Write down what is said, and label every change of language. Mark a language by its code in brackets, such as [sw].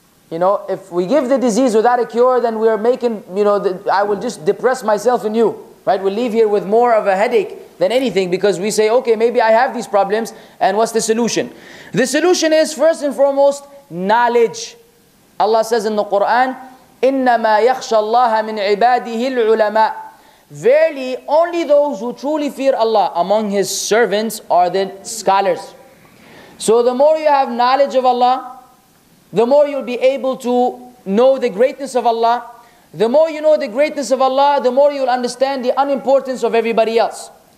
[en] You know, if we give the disease without a cure, then we are making, you know, I will just depress myself and you, right? We'll leave here with more of a headache than anything because we say, okay, maybe I have these problems and what's the solution? The solution is, first and foremost, knowledge. Allah says in the Quran, [ar] إِنَّمَا يَخْشَ اللَّهَ مِنْ عِبَادِهِ الْعُلَمَاءِ. [en] Verily, only those who truly fear Allah among His servants are the scholars. So the more you have knowledge of Allah, the more you'll be able to know the greatness of Allah. The more you know the greatness of Allah, the more you'll understand the unimportance of everybody else.